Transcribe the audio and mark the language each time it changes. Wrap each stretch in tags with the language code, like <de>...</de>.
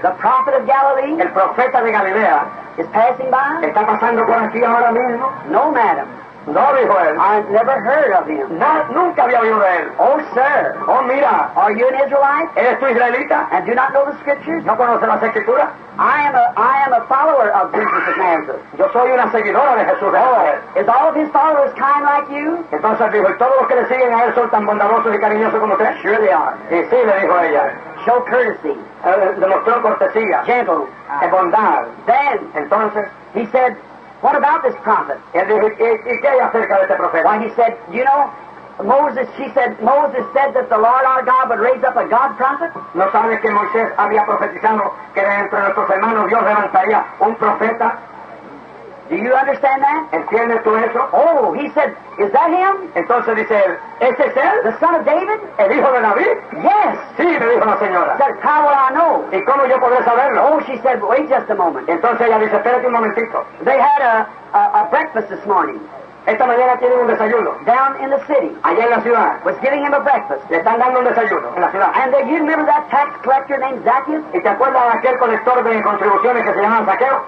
<en>the prophet of Galilee,</en> <es>el profeta de Galilea,</es> <en>is passing by?</en> <es>¿Está pasando por aquí ahora mismo?</es> <en>No, madam.</en> <es>No, dijo él.</es> <en>I've never heard of him.</en> <es>No, nunca había oído de él.</es> <en>Oh, sir.</en> <es>Oh, mira.</es> <en>Are you an Israelite?</en> <es>¿Eres tú israelita?</es> <en>And do not know the scriptures?</en> <es>¿No conoces las escrituras?</es> <en>I am a follower of Jesus of Nazareth.</en> <es>Yo soy una seguidora de Jesús.</es> <en>Oh, is all of his followers kind like you?</en> <es>Entonces dijo, ¿todos los que le siguen a él son tan bondadosos y cariñosos como usted?</es> <en>Sure they are.</en> <es>Y sí, le dijo ella.</es> <en>Show courtesy.</en> <es>Demostró cortesía.</es> <en>Gentle.</en> <es>Y bondad.</es> <en>Then,</en> <es>entonces,</es> <en>he said, what about this prophet?</en> <es>¿Y qué hay acerca de este profeta?</es> <en>Well, he said, you know, Moses, she said, Moses said that the Lord our God would raise up a God prophet?</en> <es>¿No sabes que Moisés había profetizado que dentro de nuestros hermanos Dios levantaría un profeta?</es> <en>Do you understand that?</en> <es>¿Entiendes tú eso?</es> <en>Oh, he said, is that him?</en> <es>Entonces dice él, ¿ese es él?</es> <en>The son of David?</en> <es>¿El hijo de David?</es> <en>Yes.</en> <es>Sí, le dijo la señora.</es> <en>Said, how will I know?</en> <es>¿Y cómo yo podré saberlo?</es> <en>Oh, she said, wait just a moment.</en> <es>Entonces ella dice, espérate un momentito.</es> <en>They had a breakfast this morning.</en> <es>Esta mañana tienen un desayuno.</es> <en>Down in the city.</en> <es>Allá en la ciudad.</es> <en>Was giving him a breakfast.</en> <es>Le están dando un desayuno en la ciudad.</es> <en>And you remember that tax collector named Zacchaeus?</en> <es>¿Y te acuerdas de aquel colector de contribuciones que se llamaba Zaqueo?</es>